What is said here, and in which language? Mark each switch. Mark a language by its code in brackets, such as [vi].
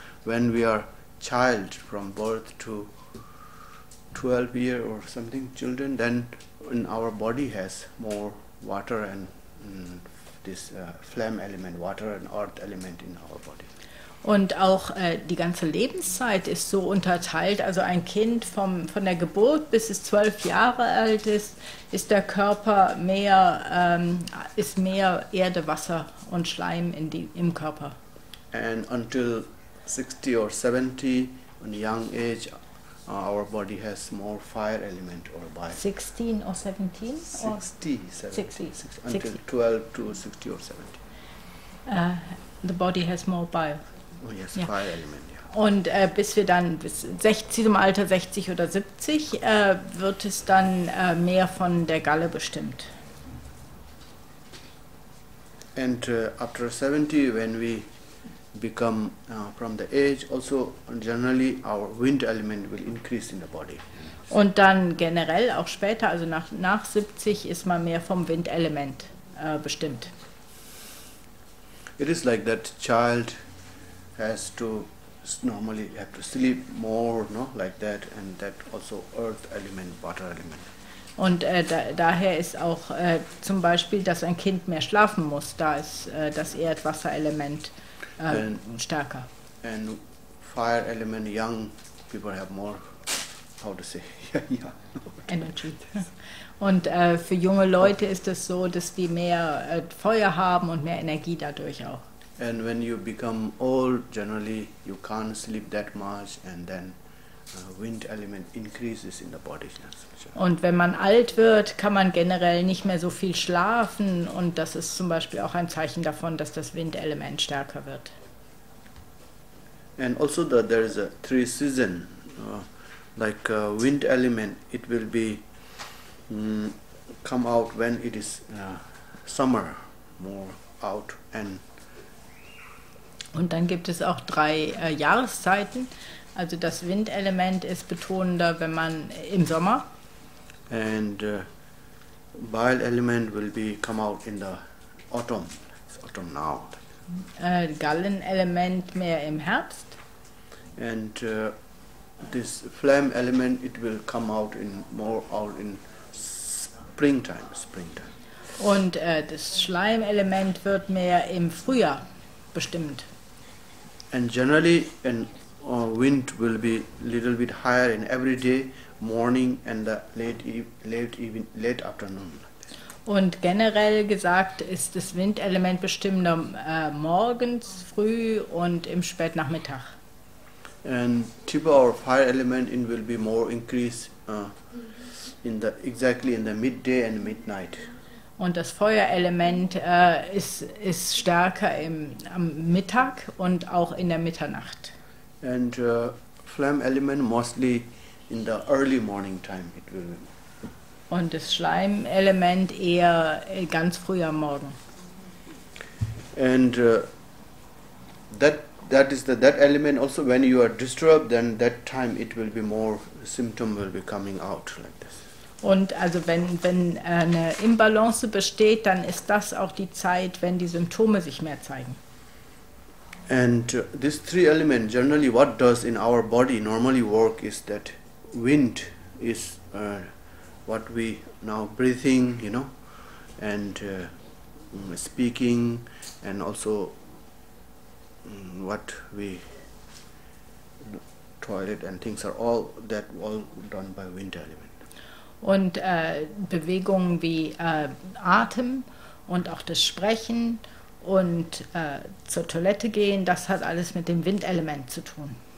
[en] When we are child from birth to 12 year or something children, then in our body has more water and this flame element, water and earth element in our body. [de] Und auch die ganze Lebenszeit ist so unterteilt. Also ein Kind von der Geburt bis es 12 Jahre alt ist, ist der Körper mehr, ist mehr Erde, Wasser und Schleim in die, im Körper. [en] And until 60 or 70, in a young age, our body has more fire element or body. 16 or 17? 60, 70. 60. Until 12 to 60 or 70. The body has more bio. Oh yes, fire element, yeah. [de] Und bis wir dann bis 60, im Alter 60 oder 70, wird es dann mehr von der Galle bestimmt. [en] And after 70, when we become from the age, also generally our wind element will increase in the body. [de] Und dann generell auch später, also nach 70, ist man mehr vom Windelement bestimmt. [en] It is like that child has to normally have to sleep more, no, like that, and that also earth element, water element. [de] Und daher ist auch zum Beispiel, dass ein Kind mehr schlafen muss, da ist das Erdwasserelement stärker. [en] And fire element, young people have more, how to say, energy. [de] Und für junge Leute ist es so, dass die mehr Feuer haben und mehr Energie dadurch auch. [en] And when you become old, generally you can't sleep that much, and then wind element increases in the body. [de] Und wenn man alt wird, kann man generell nicht mehr so viel schlafen, und das ist zum Beispiel auch ein Zeichen davon, dass das Windelement stärker wird. [en] And also that there is a three season, like wind element, it will be come out when it is summer more out and. [de] Und dann gibt es auch drei Jahreszeiten. Also das Windelement ist betonender, wenn man im Sommer. [en] And bile element will be come out in the autumn. It's autumn now. [de] Gallenelement mehr im Herbst. [en] And this flame element, it will come out in more out in springtime. Springtime. [de] Und das Schleimelement wird mehr im Frühjahr bestimmt. [en] And generally, and wind will be a little bit higher in every day, morning and the late afternoon. [de] Und generell gesagt ist das Windelement bestimmender morgens früh und im Spätnachmittag. [en] And type of fire element in will be more increase in the exactly in the midday and midnight. [de] Und das Feuerelement ist stärker am Mittag und auch in der Mitternacht. [en] And flame element mostly in the early morning time it will be. [de] Und das Schleimelement eher ganz früh am Morgen. [en] And that element also when you are disturbed, then that time it will be more symptom will be coming out like this. [de] Und also wenn eine Imbalance besteht, dann ist das auch die Zeit, wenn die Symptome sich mehr zeigen. [en] And these three elements, generally what does in our body normally work is that wind is what we now breathing, you know, and speaking, and also what we toilet and things are all that all done by wind element. [de] Und Bewegungen wie Atem und auch das Sprechen und zur Toilette gehen, das hat alles mit dem Windelement zu tun.